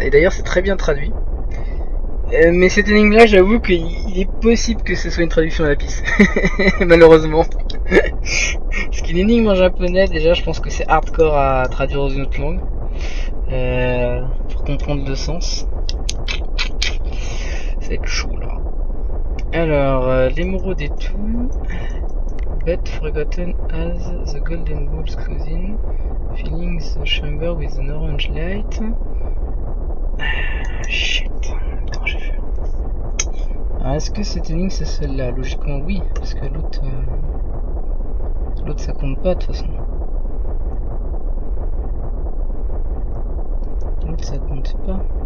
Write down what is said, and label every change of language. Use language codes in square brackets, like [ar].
[fr] Et d'ailleurs, c'est très bien traduit. Mais cette énigme-là, j'avoue qu'il est possible que ce soit une traduction à la piste. Malheureusement. Parce qu'une énigme en japonais, déjà, je pense que c'est hardcore à traduire dans une autre langue. Pour comprendre le sens. Ça va être chaud, là. Alors, l'émeraude et tout. [en] But forgotten as the golden wolf's cousin. Filling the chamber with an orange light. Shit. [fr] Alors, est-ce que cette énigme c'est celle-là? Logiquement, oui, parce que l'autre. L'autre ça compte pas de toute façon. L'autre ça compte pas.